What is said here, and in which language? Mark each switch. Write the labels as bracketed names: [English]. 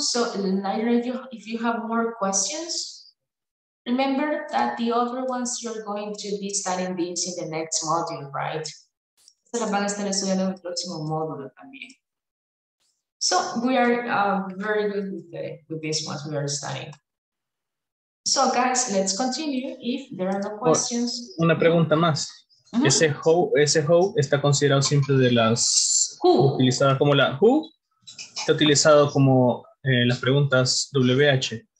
[English] So, later, if you have more questions, remember that the other ones you're going to be studying these in the next module, right? [Spanish] Se las van a estar estudiando en el próximo módulo también. [English] So we are very good with these ones we are studying. So guys, let's continue if there are no questions. [Spanish] Una pregunta más. Ese how está considerado siempre de las [English] who? [Spanish] Utilizadas como la who, está utilizado como las preguntas WH.